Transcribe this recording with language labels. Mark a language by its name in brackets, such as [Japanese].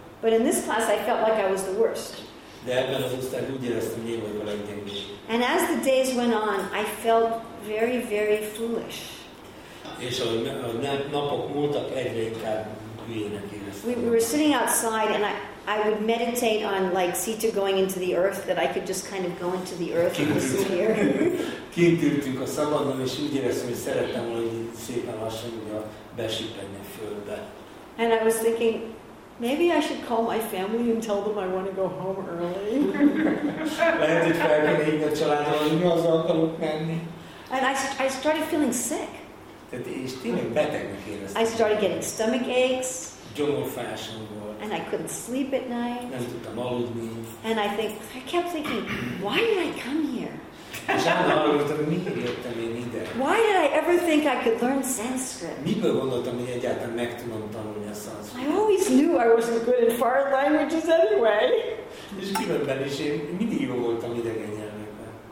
[English] But in this class, I felt like I was the worst. [Hungarian] De ebben az osztályban úgy éreztem, hogy én vagyok a leggyengébb. [English] And as the days went on, I felt very, very foolish. [Hungarian] És a napok múltak, egyre inkább hülyének éreztem. [English] We were sitting outside and I would meditate on like Sita going into the earth, that I could just kind of go into the earth and disappear. [Hungarian] Kint ültünk a szabadon, és úgy éreztem, hogy szerettem volna szépen lassan besüppedni a földbe. [English] And I was thinking, maybe I should call my family and tell them I want to go home early. [Hungarian] Lehet, hogy fel kell hívni a családom, hogy mi az alkalom menni. [English] And I started feeling sick. [Hungarian] És tényleg betegnek éreztem. [English] I started getting stomach aches. [Hungarian] Gyomorfásom volt. [English] And I couldn't sleep at night. [Hungarian] Nem tudtam aludni. [English] And I kept thinking, why did I come here? [Hungarian] És állandóan gondoltam, hogy miért jöttem én ide? [English] Why did I ever think I could learn Sanskrit? [Hungarian] Miből gondoltam, hogy egyáltalán meg tudom tanulni a Sanskrit? [English] I always knew I wasn't good in foreign languages anyway. [Hungarian] És különben is én mindig jó voltam idegen nyelvekben.